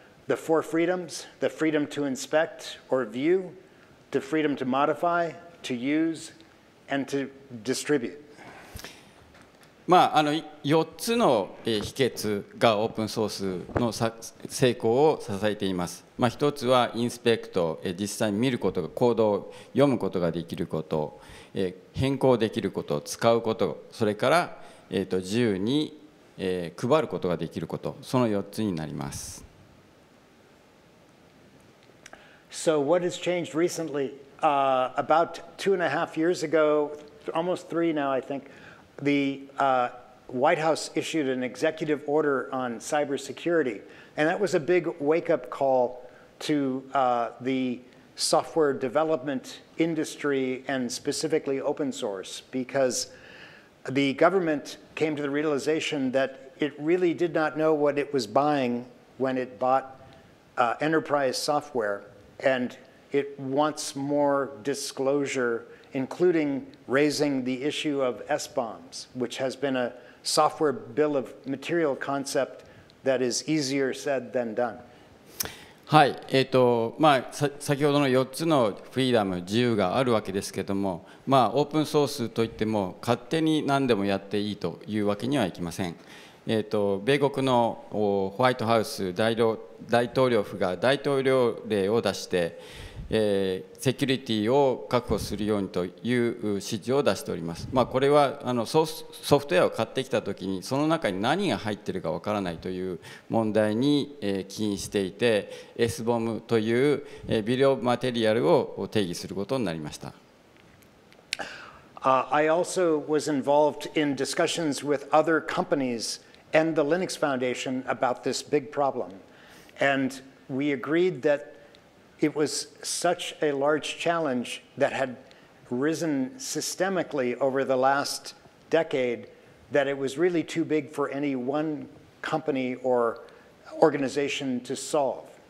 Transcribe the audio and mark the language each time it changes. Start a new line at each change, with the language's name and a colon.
English: The four freedoms: the freedom to inspect or view, the freedom to modify, to use, and to distribute.
Japanese: まあ、4つの秘訣がオープンソースの成功を支えています。まあ、1つはインスペクト、実際に見ること、コードを読むことができること、変更できること、使うこと、それから、自由に、配ることができること、その4つになります。
English: So what has changed recently? About 2.5 years ago, almost three now, I think, the White House issued an executive order on cybersecurity. And that was a big wake-up call to the software development industry, and specifically open source, because the government came to the realization that it really did not know what it was buying when it bought enterprise software. And it wants more disclosure, including raising the issue of S-bombs, which has been a software bill of material concept that is easier said than done.
Japanese: はい、先ほどの4つのフリーダム、自由があるわけですけれども、まあ、オープンソースといっても、勝手に何でもやっていいというわけにはいきません。米国のホワイトハウス大統領府が大統領令を出して、セキュリティを確保するようにという指示を出しております。まあ、これはソフトウェアを買ってきたときに、その中に何が入っているかわからないという問題に起因していて、SBOM というビデオマテリアルを定義することになりました。
English: I also was involved in discussions with other companies and the Linux Foundation about this big problem. And we agreed that it was such a large challenge that had risen systemically over the last decade that it was really too big for any one company or organization to solve.